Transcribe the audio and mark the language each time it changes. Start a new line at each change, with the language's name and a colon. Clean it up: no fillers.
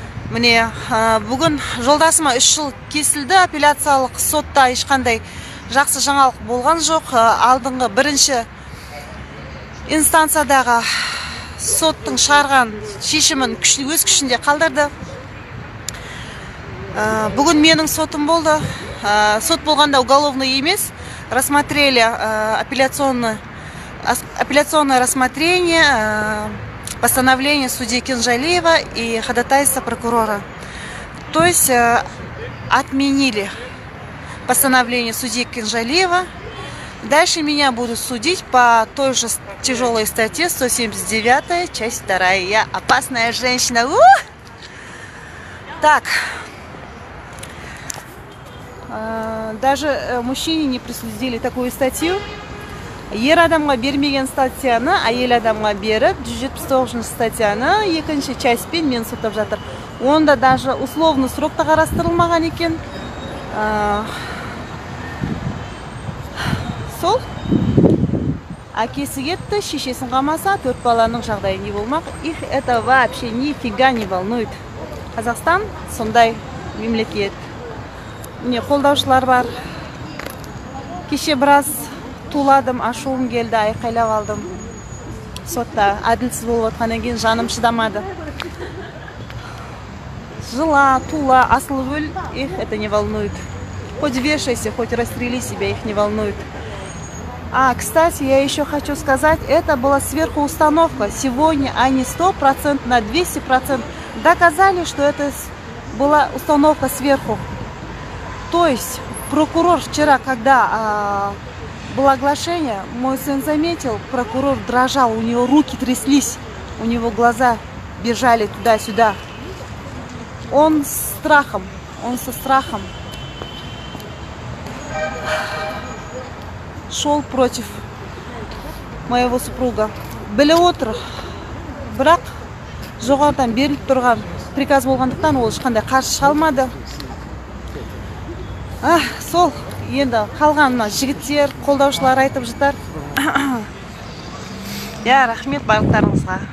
Kazakh: Міне, бүгін жолдасыма 3 жыл кесілді, апелляциялық сотта ешқандай жақсы жаңалық болған жоқ. Алдыңғы бірінші инстанциядағы соттың шығарған шешімін өз күшінде қалдырды. Бүгін менің сотым болды. Сот болғанда
Russian: уголовный емес, рассмотрели апелляционное рассмотрение, постановление судьи Кинжалиева и ходатайство прокурора. То есть отменили постановление судьи Кинжалиева. Дальше меня будут судить по той же тяжелой статье 179, часть 2. Я опасная женщина. Так. Даже мужчине не присудили такую статью.
Kazakh: Ер адамға бермеген статьяны, әйел адамға беріп, 179 статьяны, екінші часть пен мен сұтып жатыр. Онда даже условный срок та қарастырылмаған екен. Сол, әкесі кетті, шешесін қамаса, 4 баланың жағдайы не болмақ.
Russian: Их это вообще нифига не волнует.
Kazakh: Қазақстан сондай мемлекет. Міне, қолдаушылар бар. Кеше біраз туладым, ашуым келді, айқайлап алдым. Сотта әділсіз болып отқаннан кейін жаным шыдамады. Жыла, тула, асыл өл,
Russian: их это не волнует. Хоть вешайся, хоть расстрели себя, их не волнует. А, кстати, я еще хочу сказать, это была сверхустановка. Сегодня они 100% на 200% доказали, что это была установка сверху. То есть прокурор вчера, когда было оглашение, мой сын заметил, прокурор дрожал, у него руки тряслись, у него глаза бежали туда-сюда. Он со страхом шел против моего супруга.
Kazakh: Біле отыр, бірақ жоғарыдан беріліп тұрған приказ болғандықтан ол ешқандай қарсы шыға алмады. Сол енді қалғанына жігіттер, қолдаушылар айтып жатар. Я рахмет барлықтарыңызға.